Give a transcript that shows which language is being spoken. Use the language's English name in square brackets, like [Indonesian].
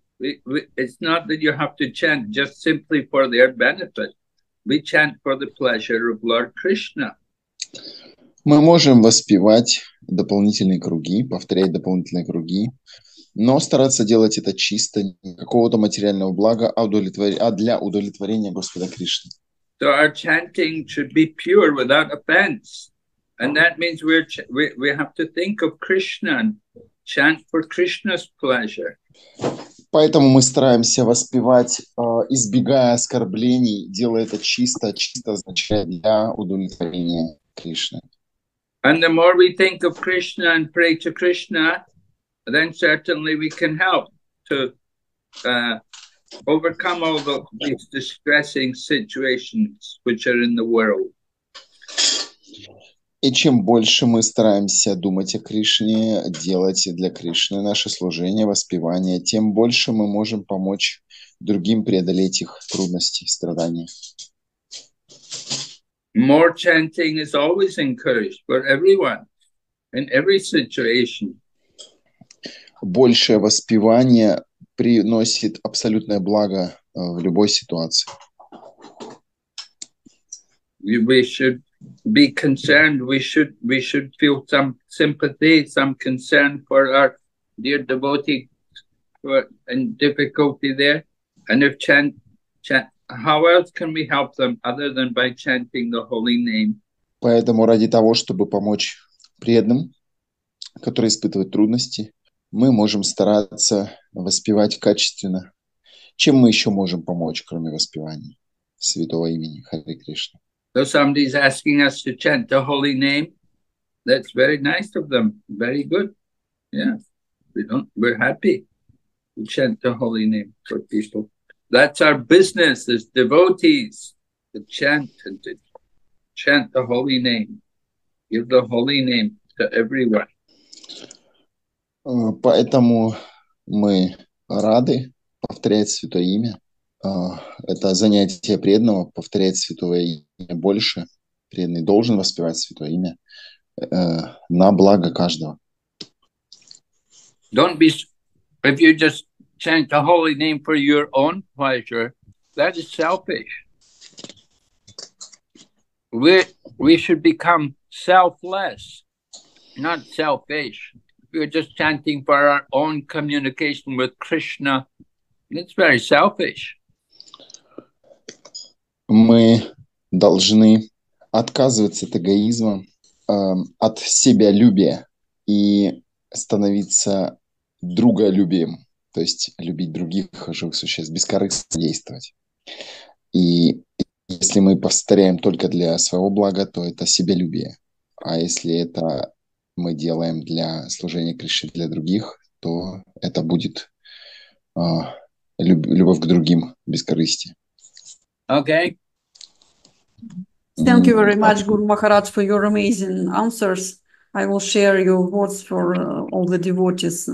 [English] It's not that you have to chant just simply for their benefit. We chant for the pleasure of Lord Krishna. [Russian] Мы можем воспевать дополнительные круги, повторять дополнительные круги, но стараться делать это чисто, не какого-то материального блага, а для удовлетворения Господа Кришны. [English] So our chanting should be pure without offense. And that means we have to think of Krishna and chant for Krishna's pleasure. [Russian] Поэтому мы стараемся воспевать, избегая оскорблений, делая это чисто, чисто означает для удовлетворения Кришны. [English] And the more we think of Krishna and pray to Krishna, then certainly we can help to overcome all these distressing situations which are in the world. [Russian] И чем больше мы стараемся думать о Кришне, делать для Кришны наше служение, воспевание, тем больше мы можем помочь другим преодолеть их трудности и страдания. [English] More chanting is always encouraged for everyone in every situation. [Russian] Большее воспевание приносит абсолютное благо в любой ситуации. [English] We should be concerned. We should feel some sympathy, some concern for our dear devotee for in difficulty there. And if chant, how else can we help them other than by chanting the holy name? [Russian] Поэтому ради того, чтобы помочь преданным, которые испытывают трудности, мы можем стараться воспевать качественно. Чем мы еще можем помочь, кроме воспевания святого имени Харе Кришна? [English] So somebody is asking us to chant the holy name. That's very nice of them. Very good. Yeah. We're happy to chant the holy name for people. That's our business as devotees, to chant and to chant the holy name. Give the holy name to everyone. [Russian] Поэтому мы рады повторять святое имя. Это занятие преданного, повторять святое имя больше. Преданный должен воспевать святое имя на благо каждого. [English] Don't be, if you just chant the holy name for your own pleasure, that is selfish. We should become selfless, not selfish. We're just chanting for our own communication with Krishna. It's very selfish. [Russian] Мы должны отказываться от эгоизма, от себялюбия и становиться друголюбием, то есть любить других живых существ, бескорыстно действовать. И если мы повторяем только для своего блага, то это себялюбие. А если это мы делаем для служения Кришне, для других, то это будет любовь к другим, бескорыстие. [English] Okay. Thank you very much, Guru Maharaj, for your amazing answers. I will share your words for all the devotees.